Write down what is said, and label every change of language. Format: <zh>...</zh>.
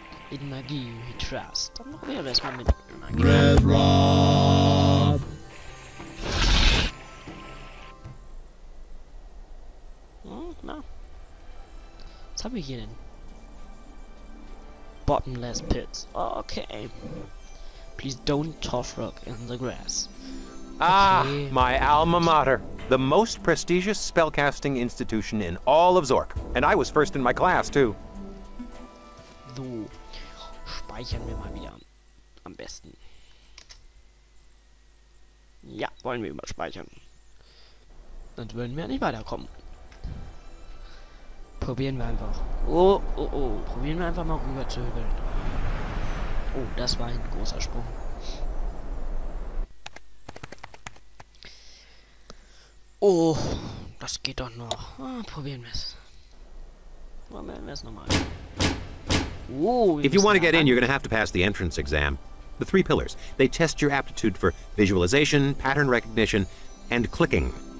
<de>In Magie,</de> <en>we trust.</en> <de>Dann probieren wir es mal mit Magie.</de> <en>Red Rob.</en> <de>Na, was haben wir hier denn?</de> <en>Bottomless Pits. Okay. Please don't toss rock in the grass. Ah, okay. My alma mater. The most prestigious spellcasting institution in all of Zork. And I was first in my class, too.</en> <de>So, speichern wir mal wieder. Am besten. Ja, wollen wir mal speichern. Dann würden wir nicht weiterkommen. Probieren wir einfach. Oh. Probieren wir einfach mal rüber zu hügeln. Oh, das war ein großer Sprung. Oh, das geht doch noch. Oh, probieren wir es. Probieren wir es nochmal. Oh,</de> <en>if you want to get in, you're gonna have to pass the entrance exam. The three pillars. They test your aptitude for visualization, pattern recognition, and clicking.</en>